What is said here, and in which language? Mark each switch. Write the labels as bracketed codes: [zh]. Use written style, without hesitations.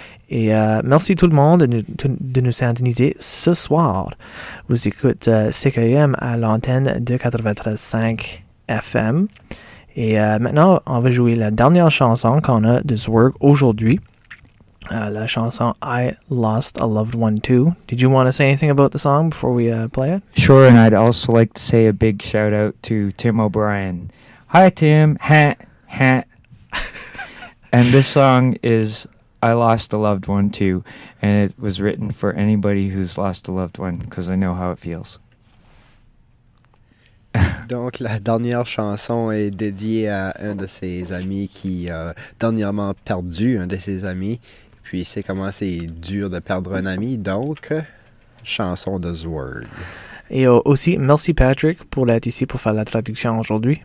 [fr] Et merci tout le monde de nous synthoniser ce soir. Vous écoutez CKUM à l'antenne de 93.5 FM. Et maintenant, on va jouer la dernière chanson qu'on a de Zwerg aujourd'hui. La chanson I Lost a Loved One Too. [en] Did you want to say anything about the song before we play it? Sure, and I'd also like to say a big shout out to Tim O'Brien. Hi, Tim. Ha, ha. And this song is I Lost a Loved One Too, and it was written for anybody who's lost a loved one because I know how it feels. [fr] Donc, la dernière chanson est dédiée à un de ses amis qui a dernièrement perdu un de ses amis. Puis, c'est comment c'est dur de perdre un ami. Donc, chanson de Zwerg. Et aussi, merci Patrick pour être ici pour faire la traduction aujourd'hui.